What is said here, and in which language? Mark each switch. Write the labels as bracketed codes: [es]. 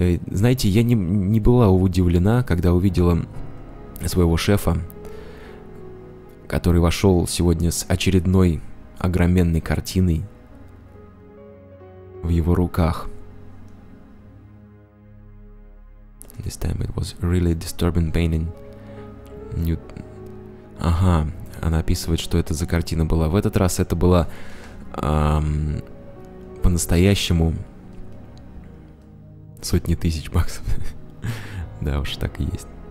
[ru] Знаете, я не была удивлена, когда увидела своего шефа, который вошел сегодня с очередной огроменной картиной в его руках. [en] This time it was really disturbing painting. [ru] Ага, она описывает, что это за картина была. В этот раз это была по-настоящему сотни тысяч баксов. Да уж, так и есть.